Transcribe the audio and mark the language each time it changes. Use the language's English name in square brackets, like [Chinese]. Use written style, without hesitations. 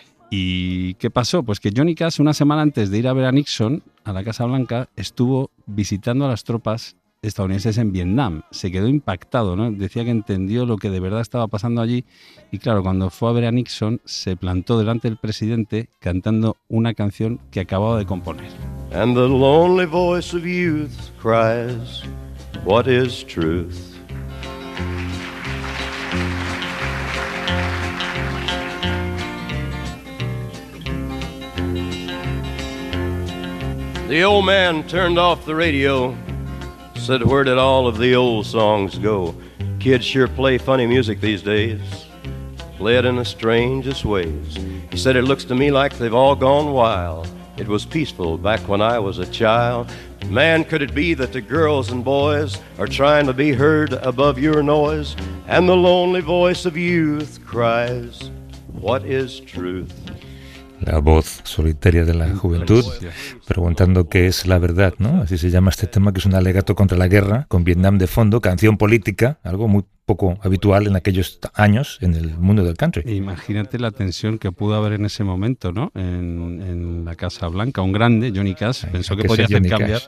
[Spanish] ¿Y qué pasó? Pues que Johnny Cash, una semana antes de ir a ver a Nixon a la Casa Blanca, estuvo visitando a las tropas estadounidenses en Vietnam. Se quedó impactado, ¿no? Decía que entendió lo que de verdad estaba pasando allí. Y claro, cuando fue a ver a Nixon, se plantó delante del presidente cantando una canción que acababa de componer. [English] And the lonely voice of youth cries, what is truth? The old man turned off the radio. Said, where did all of the old songs go? Kids sure play funny music these days. Play it in the strangest ways. He said, it looks to me like they've all gone wild. It was peaceful back when I was a child. Man, could it be that the girls and boys are trying to be heard above your noise? And the lonely voice of youth cries, what is truth? [Spanish] La voz solitaria de la juventud, preguntando qué es la verdad, ¿no? Así se llama este tema, que es un alegato contra la guerra, con Vietnam de fondo, canción política, algo muy poco habitual en aquellos años en el mundo del country. Imagínate la tensión que pudo haber en ese momento, ¿no? En la Casa Blanca, un grande, Johnny Cash, pensó que podía hacer cambiar.